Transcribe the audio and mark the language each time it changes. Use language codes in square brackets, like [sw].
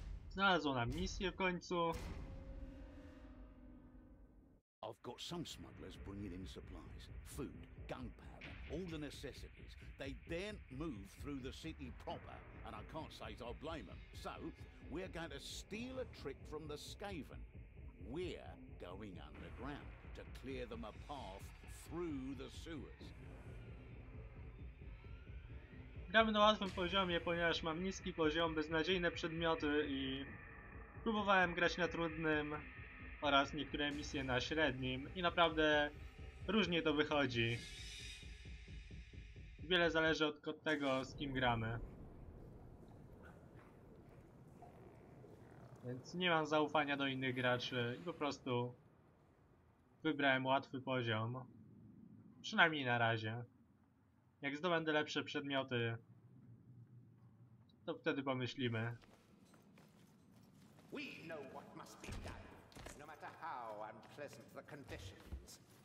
[pl] Znalazło nam misję w końcu. [en] I've got some smugglers bringing in supplies, food, gunpowder, all the necessities. They daren't move through the city proper, and I can't say I blame them. So, we're going to steal a trick from the Skaven. We're going underground to clear them a path through the sewers. [pl] Gramy na łatwym poziomie, ponieważ mam niski poziom, beznadziejne przedmioty i próbowałem grać na trudnym. Oraz niektóre misje na średnim i naprawdę różnie to wychodzi. Wiele zależy od tego, z kim gramy. Więc nie mam zaufania do innych graczy i po prostu wybrałem łatwy poziom. Przynajmniej na razie. Jak zdobędę lepsze przedmioty, to wtedy pomyślimy. [en] We know what must be done. No matter how unpleasant the conditions.